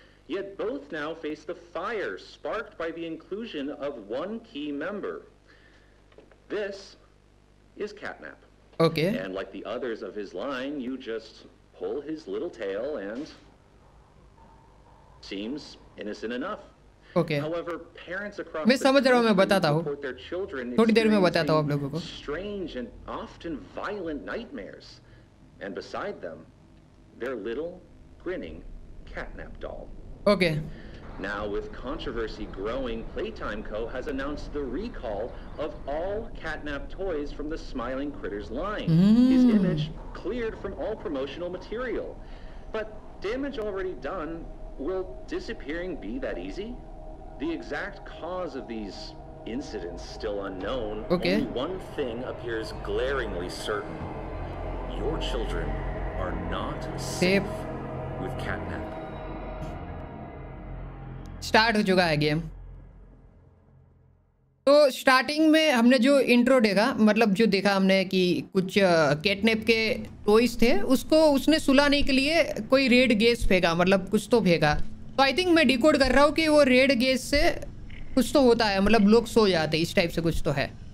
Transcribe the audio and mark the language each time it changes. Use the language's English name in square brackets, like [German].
[English] Yet both now face the fire sparked by the inclusion of one key member. This is Catnap. Okay. And like the others of his line, you just pull his little tail and seems innocent enough. [Hindi] Okay मैं समझ रहा हूँ, मैं बताता हूँ थोड़ी देर में, बताता हूँ आप लोगों को। [English] Strange and often violent nightmares and beside them their little grinning CatNap doll. Okay now with controversy growing Playtime Co has announced the recall of all CatNap toys from the Smiling Critters line, his image cleared from all promotional material, but damage already done, will disappearing be that easy? The exact cause of these incidents still unknown. Okay. Only one thing appears glaringly certain. Your children are not safe with Catnap. [Hindi] Start ho chuka hai game. तो starting में हमने जो intro देखा, मतलब जो देखा हमने कि कुछ कैटनैप के टॉयज थे, उसको उसने सुलाने के लिए कोई रेड गैस फेंका, मतलब कुछ तो फेंका। तो [English] I think [Hindi] मैं डिकोड कर रहा हूँ कि वो रेड गैस से कुछ तो होता है, मतलब लोग सो जाते इस टाइप से कुछ तो है।